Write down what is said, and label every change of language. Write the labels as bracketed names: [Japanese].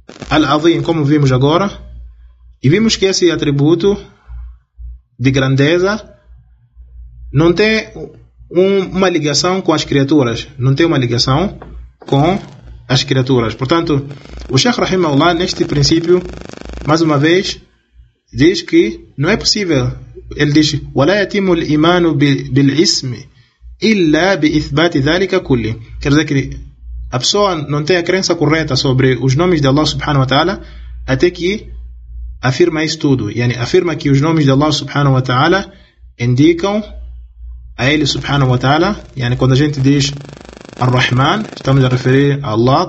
[Portuguese] Al-Azim, como vimos agora, e vimos que esse atributo de grandeza não tem uma ligação com as criaturas, não tem uma ligação com as criaturas. Portanto, o Sheikh Rahimahullah, neste princípio, mais uma vez, diz que não é possível. Ele diz: [Arabic] وَلَا يَتِمُ الْإِمَانُ بِالْإِسْمِ إِلَّا بِإِثْبَاتِ ذَلِكَ كُلِّ. [Portuguese] Quer dizer que a pessoa não tem a crença correta sobre os nomes de Allah subhanahu wa ta'ala até que afirma isso tudo. Yani, afirma que os nomes de Allah subhanahu wa ta'ala indicam a ele subhanahu wa ta'ala. Yani, quando a gente diz Ar-Rahman, estamos a referir a Allah.